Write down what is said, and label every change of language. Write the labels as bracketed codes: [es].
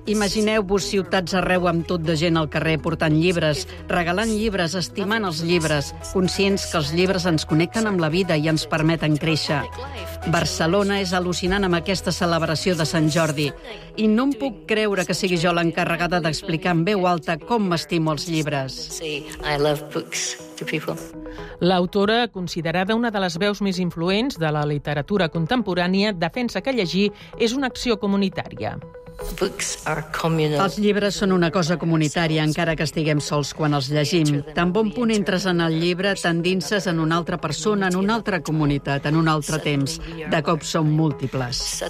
[ca] Imagineu-vos ciutats arreu amb tot de gent al carrer portant llibres, regalant llibres, estimant els llibres, conscients que els llibres ens connecten amb la vida i ens permeten créixer. Barcelona és al·lucinant amb aquesta celebració de Sant Jordi. I no em puc creure que sigui jo l'encarregada d'explicar en veu alta com m'estimo els llibres. [en] Sí, I love books to people. [ca] L'autora, considerada una de les veus més influents de la literatura contemporània, defensa que llegir és una acció comunitària. Els llibres són una cosa comunitària, encara que estiguem sols quan els llegim. Tan bon punt entres en el llibre, t'endinses en una altra persona, en una altra comunitat, en un altre temps. De cop som múltiples.